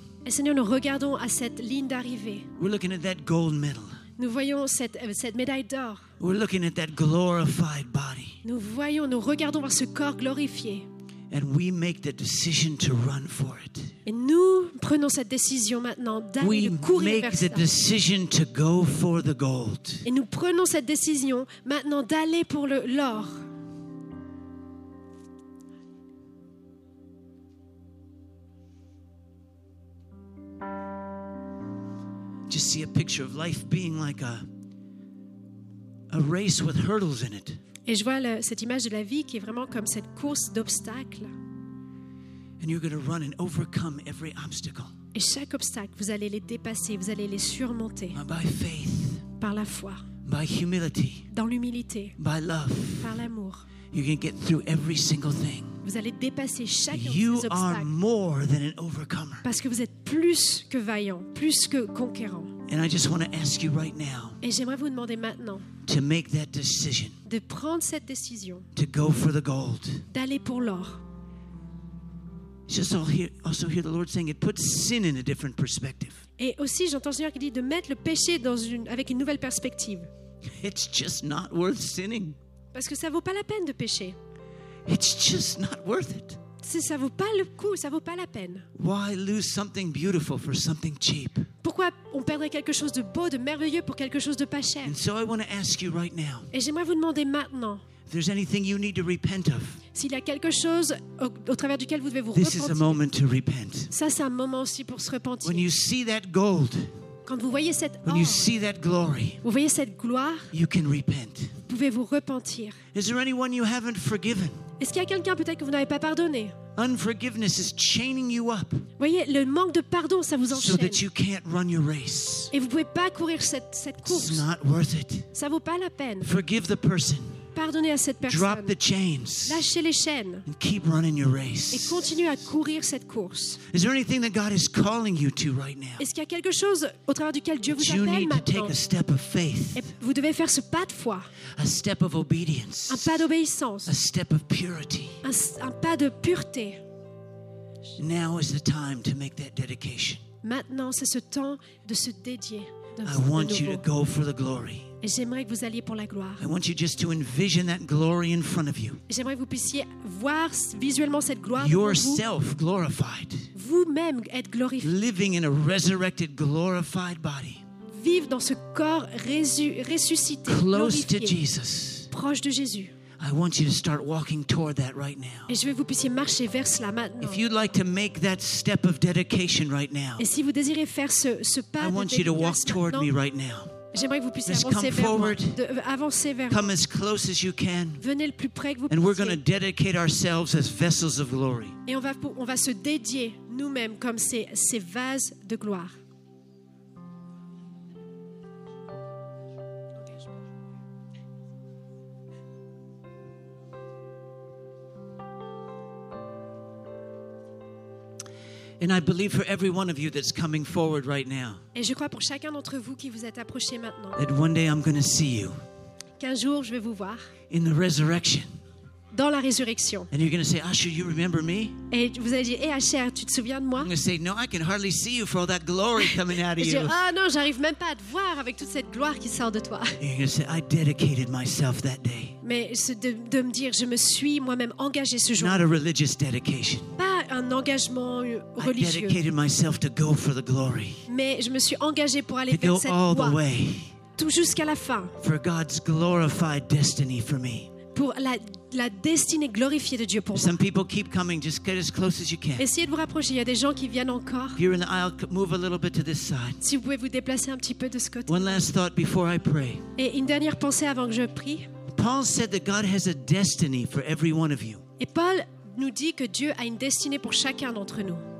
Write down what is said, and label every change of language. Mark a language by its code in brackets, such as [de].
[fr] Et Seigneur, nous regardons à cette ligne d'arrivée. [en] We're looking at that gold medal. [fr] Nous voyons cette médaille d'or. [en] We're looking at that glorified body. [fr] Nous voyons, nous regardons vers ce corps glorifié. [en] And we make the decision to run for it. [fr] Et nous prenons cette décision maintenant d'aller courir vers ça. [en] We make the decision to go for the gold. [fr] Et nous prenons cette décision maintenant d'aller pour l'or. [en] Just see a picture of life being like a race with hurdles in it. [fr] Et je vois cette image de la vie qui est vraiment comme cette course d'obstacles. [en] And you're going to run and overcome every obstacle. [fr] Et chaque obstacle, vous allez les dépasser, vous allez les surmonter. [en] By faith. [fr] Par la foi. [en] By humility. [fr] Dans l'humilité. [en] By love. [fr] Par l'amour. [en] You're going to get through every single thing. [fr] Vous allez dépasser chaque [en] you [fr] obstacle. [en] You are more than an overcomer. [fr] Parce que vous êtes plus que vaillant, plus que conquérant. [en] And I just want to ask you right now. [fr] Et j'aimerais vous demander maintenant. [en] To make that decision. [fr] De prendre cette décision. [en] To go for the gold. [fr] D'aller pour l'or. [en] Just also hear the Lord saying it puts sin in a different perspective. [fr] Et aussi j'entends le Seigneur qui dit de mettre le péché dans avec une nouvelle perspective. [en] It's just not worth sinning. [fr] Parce que ça vaut pas la peine de pécher. [en] It's just not worth it. [fr] Ça vaut pas le coup, ça vaut pas la peine. [en] Why lose something beautiful for something cheap? [fr] Pourquoi on perdrait quelque chose de beau, de merveilleux pour quelque chose de pas cher? [en] And so I want to ask you right now. [fr] Et j'aimerais vous demander maintenant. [en] If there's anything you need to repent of. [fr] S'il y a quelque chose au travers duquel vous devez vous repentir. [en] This is a moment to repent. [fr] Ça c'est un moment aussi pour se repentir. [en] When you see that gold. [fr] Quand vous voyez cette or. [en] When you see that glory. [fr] Vous voyez cette gloire. [en] You can repent. [fr] Vous pouvez vous repentir. [en] Is there anyone you haven't forgiven? [fr] Est-ce qu'il y a quelqu'un peut-être que vous n'avez pas pardonné? [en] Unforgiveness is chaining you up. [fr] Voyez, le manque de pardon, ça vous enchaîne. [en] So that you can't run your race. [fr] Et vous pouvez pas courir cette course. [en] It's not worth it. [fr] Ça vaut pas la peine. [en] Forgive the person. [fr] Pardonnez à cette personne. [en] Drop the chains. [fr] Lâchez les chaînes. [en] And keep running your race. [fr] Et continuez à courir cette course. [en] Is there anything that God is calling you to right now? [fr] Est-ce qu'il y a quelque chose au travers duquel Dieu vous appelle maintenant? [en] You need to take a step of faith. [fr] Et vous devez faire ce pas de foi. [en] A step of obedience. [fr] Un pas d'obéissance. [en] A step of purity. [fr] Un pas de pureté. [en] Now is the time to make that dedication. [fr] Maintenant, c'est ce temps de se dédier. [en] I want you to go for the glory. [fr] Et j'aimerais que vous alliez pour la gloire. [en] I want you just to envision that glory in front of you. [fr] J'aimerais que vous puissiez voir visuellement cette gloire. [en] Yourself glorified. [fr] Vous-même être glorifié. [en] Living in a resurrected, glorified body. [fr] Vivre dans ce corps ressuscité, [en] close [fr] glorifié, [en] to Jesus. [fr] Proche de Jésus. [en] I want you to start walking toward that right now. [fr] Et je veux que vous puissiez marcher vers cela maintenant. [en] If you'd like to make that step of dedication right now. [fr] Et si vous désirez faire ce pas, [en] I want you to walk toward me right now. [fr] J'aimerais que vous puissiez avancer vers moi. [en] Come as close as you can. [fr] Venez le plus près que vous pouvez. [en] And we're going to dedicate ourselves as vessels of glory. [fr] Et on va se dédier nous-mêmes comme ces vases de gloire. [en] And I believe for every one of you that's coming forward right now. [fr] Et je crois pour chacun d'entre vous qui vous êtes approché maintenant. [en] That one day I'm going to see you. [fr] Qu'un jour je vais vous voir. [en] In the resurrection. [fr] Dans la résurrection. [en] And you're going to say, Asher, you remember me? [fr] Et vous allez dire, Asher, tu te souviens de moi? [en] I'm going to say, no, I can hardly see you for all that glory coming out of you. [fr] Ah non, j'arrive même pas à te voir avec toute cette gloire qui sort de toi. [en] And you're going to say, I dedicated myself that day. [fr] Mais de me dire, je me suis moi-même engagé ce jour. [en] Not a religious dedication. [fr] Pas un engagement religieux. [en] I dedicated myself to go for the glory. [fr] Mais je me suis engagé pour aller [en] to [fr] vers cette [en] all [fr] gloire. [en] The way. [fr] Tout jusqu'à la fin. [en] For God's glorified destiny for me. [fr] Pour la destinée glorifiée de Dieu pour moi. [en] Some people keep coming. Just get as close as you can. [fr] Essayez de vous rapprocher. Il y a des gens qui viennent encore. [en] If you're in the aisle, move a little bit to this side. [fr] Si vous pouvez vous déplacer un petit peu de ce côté. [en] One last thought before I pray. [fr] Et une dernière pensée avant que je prie. [en] Paul said that God has a destiny for every one of you. [fr] Et Paul nous dit que Dieu a une destinée pour chacun d'entre nous.